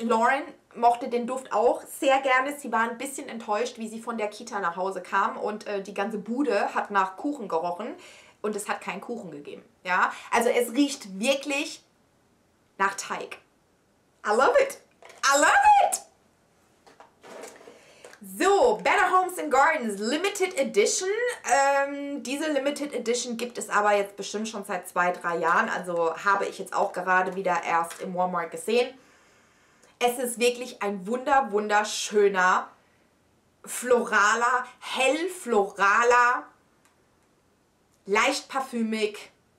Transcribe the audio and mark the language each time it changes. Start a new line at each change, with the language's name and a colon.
German: Lauren mochte den Duft auch sehr gerne. Sie war ein bisschen enttäuscht, wie sie von der Kita nach Hause kam. Und die ganze Bude hat nach Kuchen gerochen. Und es hat keinen Kuchen gegeben, ja. Also es riecht wirklich nach Teig.
English: I love it. I love it. So, Better Homes and Gardens Limited Edition.
German: Diese Limited Edition gibt es aber jetzt bestimmt schon seit 2-3 Jahren. Also habe ich jetzt auch gerade wieder erst im Walmart gesehen. Es ist wirklich ein wunderschöner, floraler, hellfloraler, leicht parfümig.